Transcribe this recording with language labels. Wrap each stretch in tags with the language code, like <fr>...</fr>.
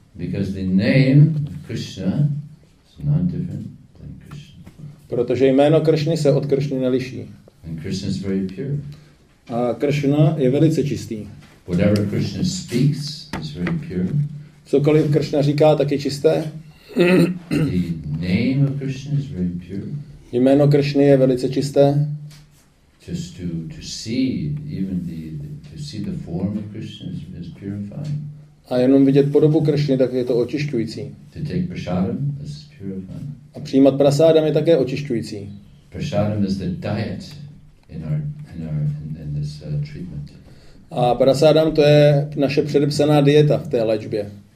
<en>Because the name Krishna is not different than Krishna.</en> <cs>Protože jméno Krishny se od Krishny neliší.</cs> <en>And Krishna is very pure.</en> <cs>A Krishna je velice čistý.</cs> <en>Whatever Krishna speaks is very pure.</en> <cs>Cokoliv Krishna říká, tak je čisté.</cs> <en>The name of Krishna is very pure.</en> <cs>Jméno Krishny je velice čisté.</cs> <en>Just to see even to see the form of Krishna is purifying.</en> <cs>A jenom vidět podobu Krishny, tak je to očišťující.</cs> <en>To take prasadam is purifying.</en> <cs>A přijímat prasadam je také očišťující.</cs> <en>Prasadam is the diet in this treatment.</en> <cs>A prasadam to je naše předepsaná dieta v té léčbě.</cs>